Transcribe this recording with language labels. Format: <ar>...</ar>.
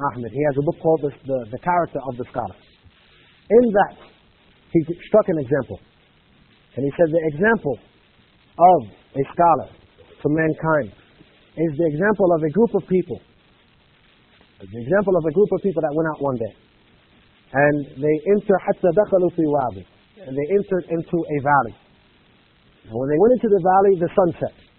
<en>He has a book called the Character of the Scholar. In that, he struck an example. And he said the example of a scholar to mankind is the example of a group of people. The example of a group of people that went out one day. And they entered</en> <ar>حَتَّى دَخَلُوا فِي وَعْبِ.</ar> <en>And they entered into a valley. And when they went into the valley, the sun set.</en>